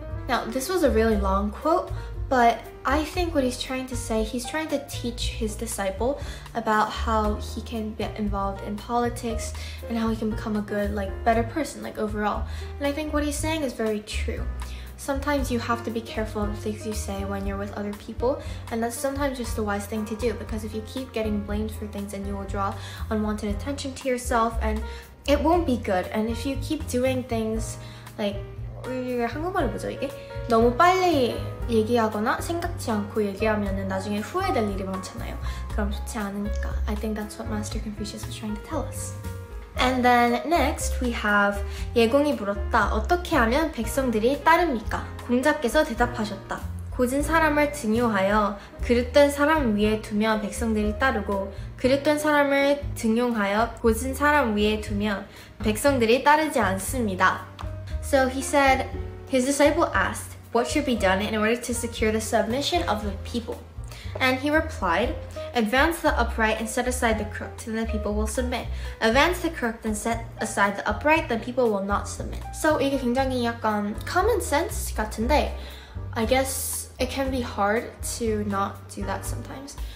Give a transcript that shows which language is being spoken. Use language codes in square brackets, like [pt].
[en] Now, this was a really long quote, but I think what he's trying to say, he's trying to teach his disciple about how he can get involved in politics and how he can become a good, like, better person, like, overall. And I think what he's saying is very true. Sometimes you have to be careful of the things you say when you're with other people, and that's sometimes just the wise thing to do, because if you keep getting blamed for things, then you will draw unwanted attention to yourself, and it won't be good. And if you keep doing things, like, [ko] 이게 한국말이 뭐죠, 이게? 너무 빨리 얘기하거나 생각지 않고 얘기하면은 나중에 후회될 일이 많잖아요. 그럼 좋지 않으니까. [en] I think that's what Master Confucius was trying to tell us. And then next we have, [ko] 예공이 물었다. 어떻게 하면 백성들이 따릅니까? 공자께서 대답하셨다. 고진 사람을 등용하여 그릇된 사람 위에 두면 백성들이 따르고 그릇된 사람을 등용하여 고진 사람 위에 두면 백성들이 따르지 않습니다. [en] So he said, his disciple asked, what should be done in order to secure the submission of the people? And he replied, advance the upright and set aside the crooked, then the people will submit. Advance the crooked and set aside the upright, then people will not submit. So [ko] 이게 굉장히 약간 [en] common sense [ko] 같은데, [en] I guess it can be hard to not do that sometimes.